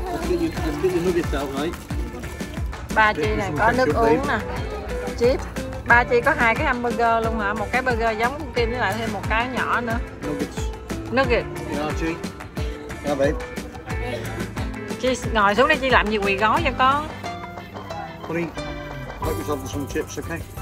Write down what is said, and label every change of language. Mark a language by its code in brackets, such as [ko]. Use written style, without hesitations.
[en] You can get your nuggets out, right? [vi] Ba Chi này có nước uống nè. Chip. Ba Chi có hai cái hamburger luôn hả? Một cái burger giống của Kim với lại thêm một cái nhỏ nữa. [en] Nuggets. Nuggets. Yeah, Chi. Yeah, babe. [vi] Chi ngồi xuống đây, Chi làm gì quỳ gói cho con. [en] Honey, make yourself some chips, okay?